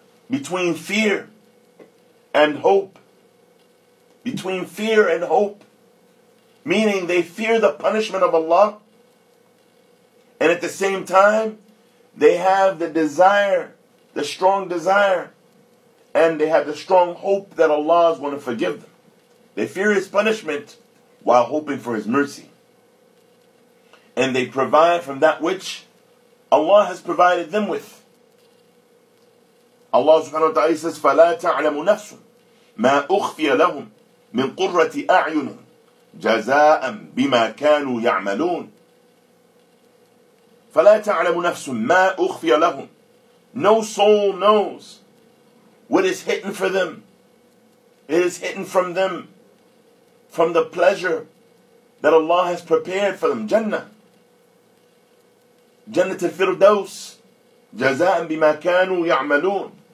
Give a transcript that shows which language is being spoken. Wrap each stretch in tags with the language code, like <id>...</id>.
<en>Between fear and hope, between fear and hope, meaning they fear the punishment of Allah, and at the same time, they have the desire, the strong desire, and they have the strong hope that Allah is going to forgive them. They fear His punishment while hoping for His mercy. And they provide from that which Allah has provided them with. Allah subhanahu wa ta'ala says,</en> <ar>فَلَا تَعْلَمُ نَفْسٌ مَا أُخْفِيَ لَهُمْ مِنْ قُرَّةِ أَعْيُنٍ جَزَاءً بِمَا كَانُوا يَعْمَلُونَ. فَلَا تَعْلَمُ نَفْسٌ مَا أُخْفِيَ لَهُمْ.</ar> <en>No soul knows what is hidden for them. It is hidden from them, from the pleasure that Allah has prepared for them. Jannah.</en> <ar>Jannah al-Firdaus. جَزَاءً بِمَا كَانُوا يَعْمَلُونَ.</ar>